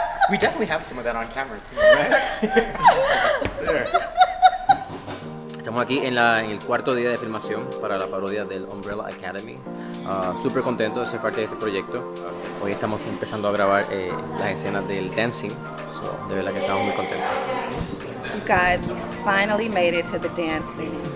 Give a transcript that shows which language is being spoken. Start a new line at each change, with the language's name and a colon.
English: We definitely have some of that on camera too, right? It's there.
Spanish: Estamos aquí en el cuarto día de filmación para la parodia del Umbrella Academy. Super contento de ser parte de este proyecto. Hoy estamos empezando a grabar las escenas del dancing. So, de verdad que estamos muy contentos.
English: You guys, we finally made it to the dancing.